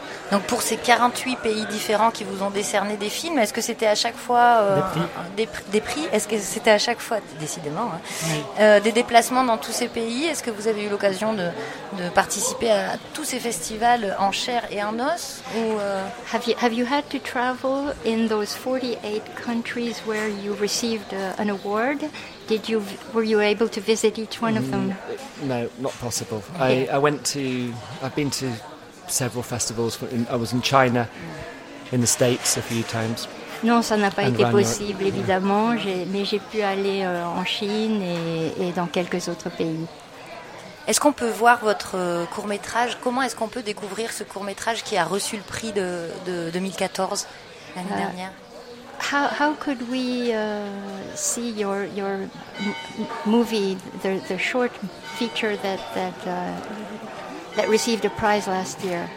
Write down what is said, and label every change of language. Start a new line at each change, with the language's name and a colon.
French: Donc pour ces 48 pays différents qui vous ont décerné des films, est-ce que c'était à chaque fois des prix? Est-ce que c'était à chaque fois, décidément, hein, des déplacements dans tous ces pays? Est-ce que vous avez eu l'occasion de participer à tous ces festivals en chair et en os? Ou,
English: Have you had to travel in those 48 countries where you received an award? Were you able to visit each one of them? No, not possible. Okay. I've been to several festivals. I was in China, in the States a few times.
French: Non, ça n'a pas été possible, évidemment. J'ai pu aller en Chine et dans quelques autres pays. Est-ce qu'on peut voir votre court-métrage? Comment est-ce qu'on peut découvrir ce court-métrage qui a reçu le prix de 2014 l'année dernière?
English: How could we see your movie, the short feature that received a prize last year?